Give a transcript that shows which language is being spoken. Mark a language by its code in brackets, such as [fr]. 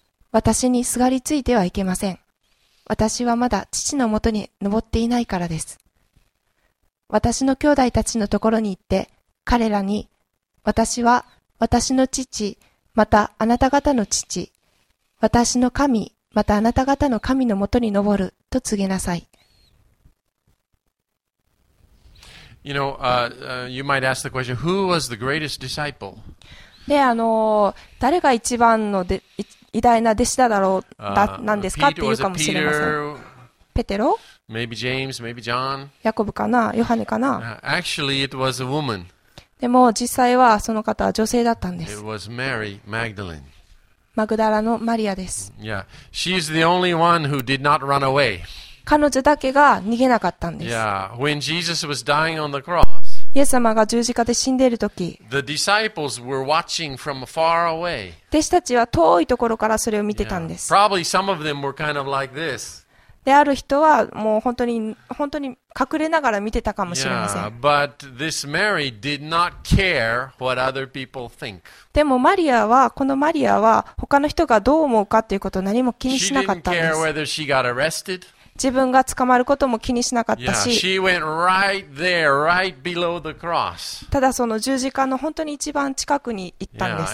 [ja] 私にすがりついてはいけません。私はまだ父のもとに登っていないからです。私の兄弟たちのところに行って、彼らに、私は私の父、またあなた方の父、私の神、またあなた方の神のもとに登ると告げなさい。 [en] You know, you might ask the question, who was the greatest disciple? [ja] で、誰が一番の偉大な弟子だろう、なんですかっていうかもしれません。ペテロ？ [en] Maybe James, maybe John. [ja] ヤコブかな？ヨハネかな？ [en] Actually, it was a woman. [ja] でも、実際はその方は女性だったんです。 [en] It was Mary Magdalene. [ja] マグダラのマリアです。 [en] Yeah, she's the only one who did not run away. [ja] 彼女だけが逃げなかったんです。 [en] Yeah, when Jesus was dying on the cross, [ja] イエス様が十字架で死んでいるとき、 [en] The disciples were watching from far away. [ja] 弟子たちは遠いところからそれを見てたんです。 [en] Yeah. Probably some of them were kind of like this. [ja] である人はもう本当に隠れながら見てたかもしれません。 [en] Yeah. But this Mary did not care what other people think. [ja] でもマリアは他の人がどう思うかということを何も気にしなかったんです。 [en] She didn't care whether she got arrested. [ja] 自分が捕まることも気にしなかったし、 [en] yeah, she went right there, right below the cross. [ja] ただその十字架の本当に一番近くに行ったんです。